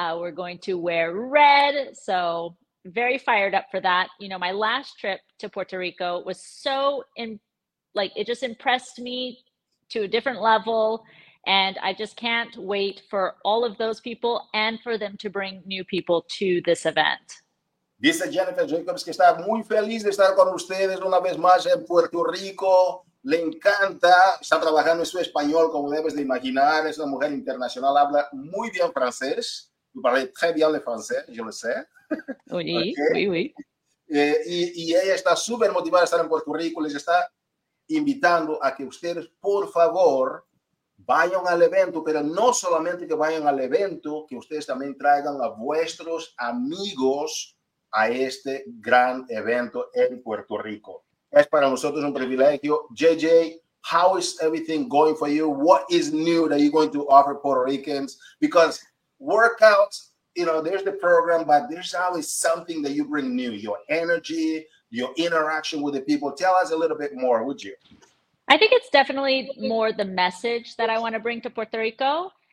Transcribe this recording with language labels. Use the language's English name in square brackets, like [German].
[English] We're going to wear red, so very fired up for that. You know, my last trip to Puerto Rico was so it just impressed me to a different level. And I just can't wait for all of those people and for them to bring new people to this event. [Spanish] Dice Jennifer Jacobs que está muy feliz de estar con ustedes una vez más en Puerto Rico. Le encanta, está trabajando en su español, como debes de imaginar. Es una mujer internacional, habla muy bien francés. [French] Tú parles très bien le français, je le sais. Oui, oui, oui. [Spanish] Y ella está súper motivada a estar en Puerto Rico. Les está invitando a que ustedes, por favor, vayan al evento, pero no solamente que vayan al evento, que ustedes también traigan a vuestros amigos a este gran evento en Puerto Rico. Es para nosotros un privilegio. [English] JJ, how is everything going for you? What is new that you're going to offer Puerto Ricans? Because workouts, you know, there's the program, but there's always something that you bring new, your energy, your interaction with the people. Tell us a little bit more, would you? I think it's definitely more the message that I want to bring to Puerto Rico.